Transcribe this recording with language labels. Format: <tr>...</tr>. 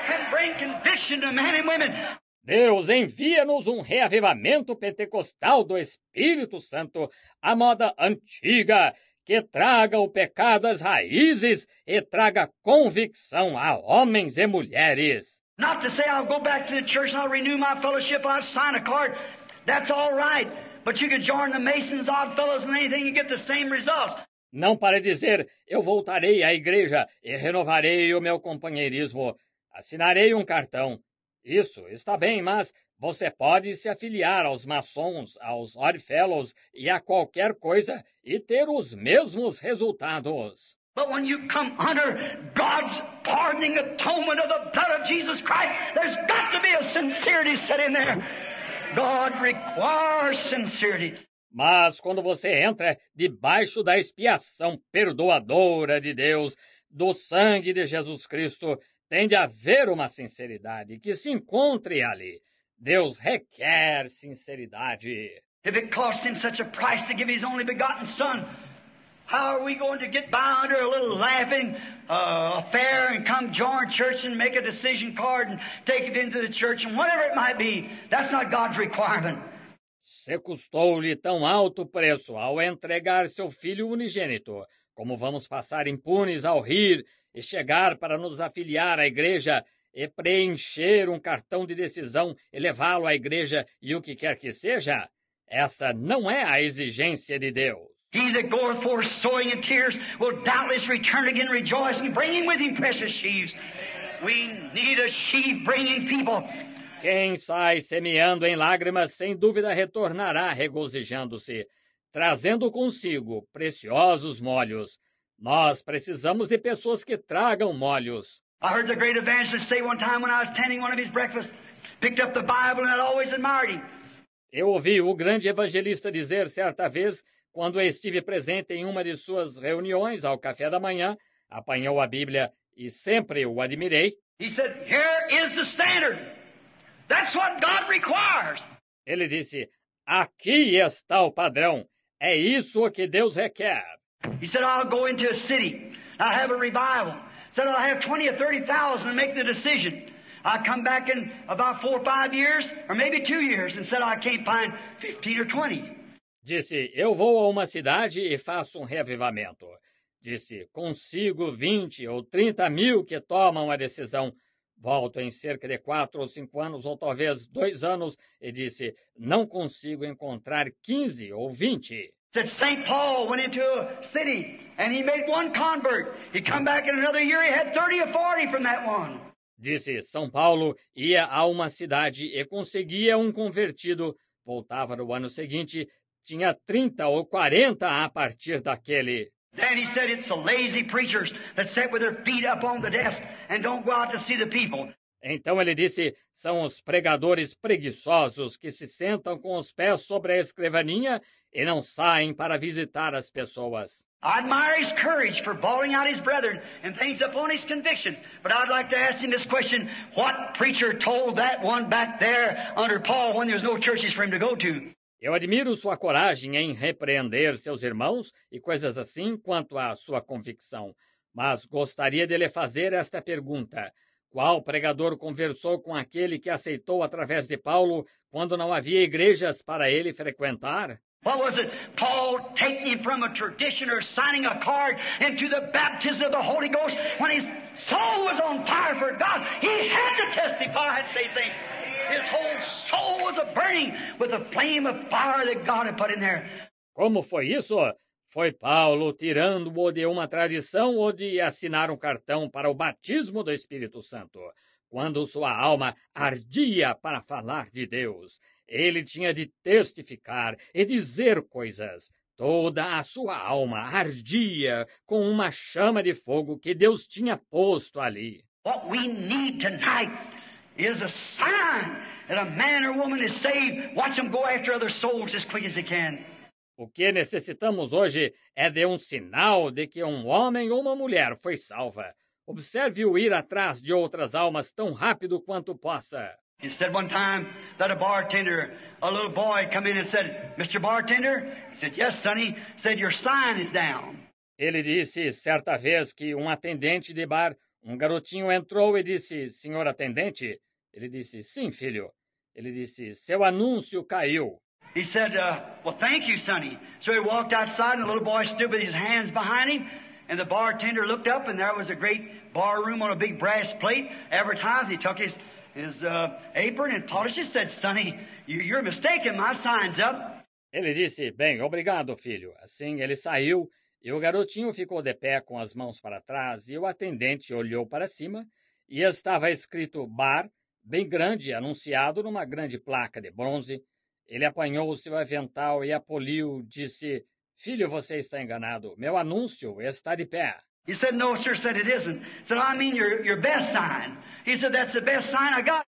<en>bring conviction to men and women.</en> <pt>Deus envia-nos reavivamento pentecostal do Espírito Santo, a moda antiga, que traga o pecado às raízes e traga convicção a homens e mulheres.</pt> <en>Not to say I'll go back to the church and I'll renew my fellowship, I'll sign a card. That's all right. But you can join the Masons, Odd Fellows, and anything, you get the same results.</en> <pt>Não para dizer, eu voltarei à igreja e renovarei o meu companheirismo. Assinarei cartão. Isso está bem, mas você pode se afiliar aos maçons, aos Odd Fellows e a qualquer coisa e ter os mesmos resultados.</pt> <en>But when you come under God's pardoning atonement of the blood of Jesus Christ, there's got to be a sincerity set in there. God requires sincerity.</en> <pt>Mas quando você entra debaixo da expiação perdoadora de Deus, do sangue de Jesus Cristo, tem de haver uma sinceridade que se encontre ali. Deus requer sinceridade.</pt> <en>If it cost him such a price to give his only begotten son, how are we going to get by under a little laughing affair and come join church and make a decision card and take it into the church and whatever it might be? That's not God's requirement.</en> <pt>Se custou-lhe tão alto preço ao entregar seu filho unigênito, como vamos passar impunes ao rir e chegar para nos afiliar à igreja e preencher cartão de decisão e levá-lo à igreja e o que quer que seja? Essa não é a exigência de Deus.</pt> <en>He that goeth forth sowing in tears will doubtless return again rejoicing, bringing with him precious sheaves. We need a sheaf bringing people.</en> <pt>Quem sai semeando em lágrimas, sem dúvida retornará regozijando-se, trazendo consigo preciosos molhos. Nós precisamos de pessoas que tragam molhos.</pt> <en>I heard the great evangelist say one time when I was tending one of his breakfasts, picked up the Bible and I always admired him.</en> <pt>Eu ouvi o grande evangelista dizer certa vez, quando estive presente em uma de suas reuniões ao café da manhã, apanhou a Bíblia e sempre o admirei.</pt> <en>He said, "Here is the standard. That's what God requires."</en> <pt>Ele disse, "Aqui está o padrão. É isso que Deus requer."</pt> <en>He said, "I'll go into a city. I'll have a revival. Said I'll have 20 or 30,000 to make the decision. I'll come back in about 4 or 5 years, or maybe 2 years, and said I can't find 15 or 20."</en> <pt>Disse, eu vou a uma cidade e faço reavivamento. Disse, consigo 20 ou 30 mil que tomam a decisão. Volto em cerca de 4 ou 5 anos, ou talvez 2 anos, e disse, não consigo encontrar 15 ou 20.</pt> <en>Said St. Paul went into a city and he made one convert. He come back in another year, he had 30 or 40 from that one.</en> <pt>Disse, São Paulo ia a uma cidade e conseguia convertido. Voltava no ano seguinte, tinha 30 ou 40 a partir daquele.</pt> <en>Then he said it's the lazy preachers that sit with their feet up on the desk and don't go out to see the people.</en> <pt>Então ele disse, são os pregadores preguiçosos que se sentam com os pés sobre a escrivaninha e não saem para visitar as pessoas.</pt> <en>I admire his courage for bawling out his brethren and things upon his conviction, but I'd like to ask him this question, what preacher told that one back there under Paul when there's no churches for him to go to?</en> <pt>Eu admiro sua coragem em repreender seus irmãos e coisas assim quanto à sua convicção. Mas gostaria de lhe fazer esta pergunta. Qual pregador conversou com aquele que aceitou através de Paulo quando não havia igrejas para ele frequentar?</pt> <en>What was it? Paul taking him from a tradition or signing a card into the baptism of the Holy Ghost when his soul was on fire for God. He had to testify and say things. His whole soul was a burning with the flame of fire that God had put in there.</en> <pt>Como foi isso? Foi Paulo tirando-o de uma tradição ou de assinar cartão para o batismo do Espírito Santo, quando sua alma ardia para falar de Deus. Ele tinha de testificar e dizer coisas. Toda a sua alma ardia com uma chama de fogo que Deus tinha posto ali.</pt> <en>What we need tonight is a sign that a man or woman is saved. Watch them go after other souls as quick as they can.</en> <pt>O que necessitamos hoje é de sinal de que homem ou uma mulher foi salva. Observe-o ir atrás de outras almas tão rápido quanto possa.</pt> <en>He said one time that a bartender, a little boy, come in and said, "Mr. Bartender," he said, "Yes, sonny," said, "your sign is down."</en> <pt>Ele disse certa vez que atendente de bar Um garotinho entrou e disse: Senhor atendente? Ele disse: Sim, filho. Ele disse: Seu anúncio caiu.</pt> <en>He said, well, thank you, sonny. So he walked outside, and the little boy stood with his hands behind him. And the bartender looked up, and there was a great bar room on a big brass plate. Every time he took his apron and polished it, said, Sonny, you're mistaken. My sign's up.</en> <pt>Ele disse: Bem, obrigado, filho. Assim ele saiu, e o garotinho ficou de pé com as mãos para trás, e o atendente olhou para cima, e estava escrito bar, bem grande, anunciado numa grande placa de bronze. Ele apanhou o seu avental e a poliu, disse: Filho, você está enganado. Meu anúncio está de pé.</pt> <en>He said, no, sir, said it isn't. Said, I mean your best sign. He said, that's the best sign I got.</en>